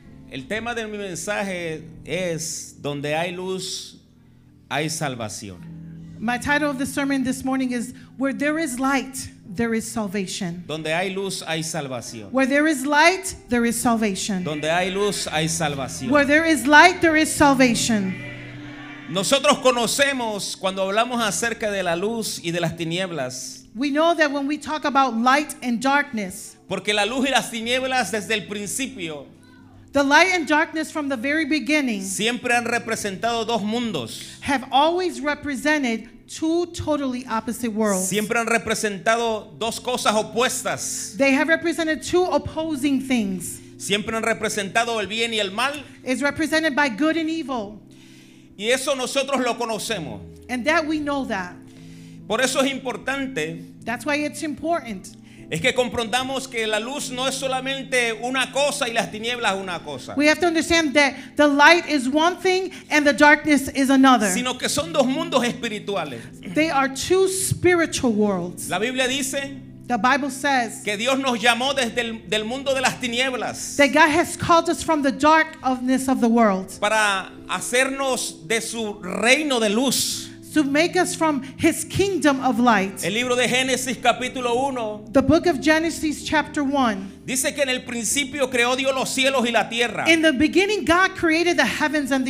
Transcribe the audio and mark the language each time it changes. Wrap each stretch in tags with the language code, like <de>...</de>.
<es>El tema de mi mensaje es, donde hay luz, hay salvación.</es> <en>My title of the sermon this morning is, where there is light, there is salvation.</en> <es>Donde hay luz, hay salvación.</es> <en>Where there is light, there is salvation.</en> <es>Donde hay luz, hay salvación.</es> <en>Where there is light, there is salvation.</en> <es>Nosotros conocemos cuando hablamos acerca de la luz y de las tinieblas.</es> <en>We know that when we talk about light and darkness.</en> <es>Porque la luz y las tinieblas desde el principio.</es> <en>The light and darkness from the very beginning.</en> <es>Siempre han representado dos mundos.</es> <en>Have always represented two totally opposite worlds.</en> <es>Siempre han representado dos cosas opuestas.</es> <en>They have represented two opposing things.</en> <es>Siempre han representado el bien y el mal.</es> <en>Is represented by good and evil.</en> <es>Y eso nosotros lo conocemos.</es> <en>And that we know that.</en> <es>Por eso es importante.</es> <en>That's why it's important.</en> <es>Es que comprendamos que la luz no es solamente una cosa y las tinieblas una cosa.</es> <en>We have to understand that the light is one thing and the darkness is another.</en> <es>Sino que son dos mundos espirituales.</es> <en>They are two spiritual worlds.</en> <es>La Biblia dice.</es> <en>The Bible says</en> <es>que Dios nos llamó desde del mundo de las tinieblas.</es> <en>That God has called us from the darkness of the world.</en> <es>Para hacernos de su reino de luz.</es> <en>To make us from his kingdom of light.</en> <es>El libro de Génesis capítulo 1.</es> <en>The book of Genesis chapter 1.</en> <es>Dice que en el principio creó Dios los cielos y la tierra.</es> <en>In the beginning God created the heavens and the</en>